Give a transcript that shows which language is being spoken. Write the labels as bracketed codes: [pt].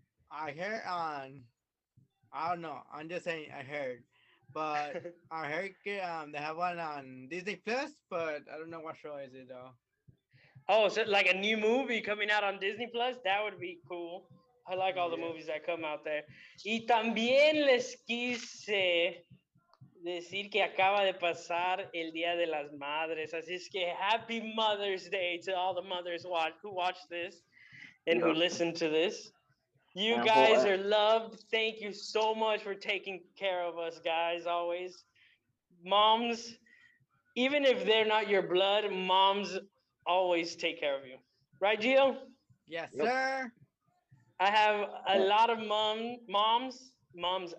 [en] I heard on, I don't know, I'm just saying I heard, but I heard they have one on Disney Plus, but I don't know what show is it though. Oh, so like a new movie coming out on Disney Plus? That would be cool. I like all the movies that come out there. [es] Y también les quise decir que acaba de pasar el Día de las Madres, así es que [en] happy Mother's Day to all the mothers who watch this and who listen to this. You guys are loved. Thank you so much for taking care of us, guys, always. Moms, even if they're not your blood, moms always take care of you. Right, Gio? Yes, sir. I have a lot of moms.